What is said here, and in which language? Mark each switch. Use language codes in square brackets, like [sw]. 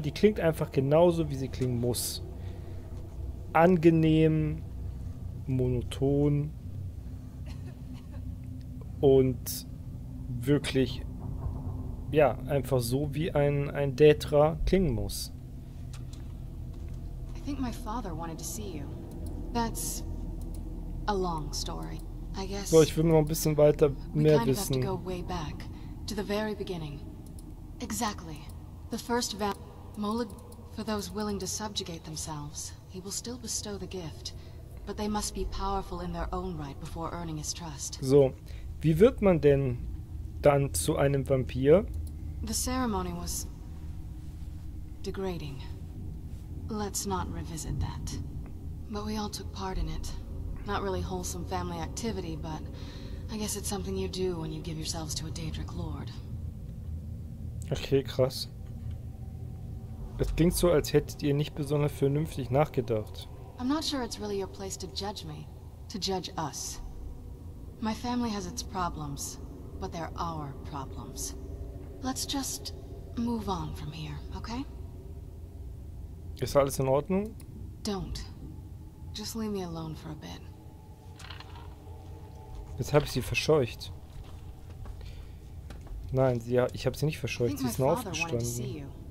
[de] Die klingt einfach genauso, wie sie klingen muss. Angenehm, monoton und wirklich, ja, einfach so, wie ein Daedra klingen muss. [en] I think my father wanted to see you. That's a long story. I guess [de] so, ich will noch ein bisschen weiter mehr wissen. [en] We kind of have to go way back, to the very beginning. Exactly. The first Molag, for those willing to subjugate themselves, he will still bestow the gift, but they must be powerful in their own right before earning his trust. [de] So, wie wird man denn dann zu einem Vampir? [en] The ceremony was degrading. Let's not revisit that. But we all took part in it. Not really wholesome family activity, but I guess it's something you do when you give yourselves to a Daedric Lord. [de] Okay, krass. Es klingt so, als hättet ihr nicht besonders vernünftig nachgedacht. [en] I'm not sure it's really your place to judge me, to judge us. My family has its problems. But they're our problems. Let's just move on from here, okay? [de] Ist alles in Ordnung? [en] Don't. Just leave me alone for a bit. [de] Jetzt habe ich sie verscheucht. Nein, sie, ja, ich habe sie nicht verscheucht. Sie ist nur aufgestanden.